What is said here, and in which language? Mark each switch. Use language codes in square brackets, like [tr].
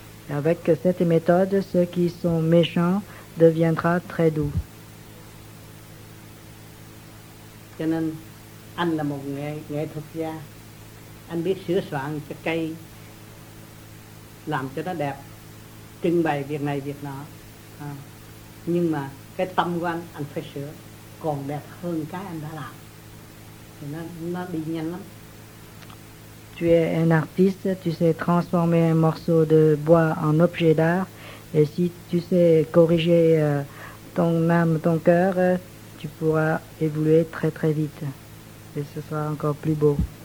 [fr] Avec cette méthode, ceux qui sont méchants deviendront très doux. [vi] Cho nên, anh là một nghệ thuật gia. Anh biết sửa soạn cho cây, làm cho nó đẹp, trưng bày việc này, việc nọ. Nhưng mà cái tâm của anh phải sửa. Còn đẹp hơn cái anh đã làm. Thì nó đi nhanh lắm. [fr] Tu es un artiste, tu sais transformer un morceau de bois en objet d'art, et si tu sais corriger ton âme, ton cœur, tu pourras évoluer très très vite. Et ce sera encore plus beau.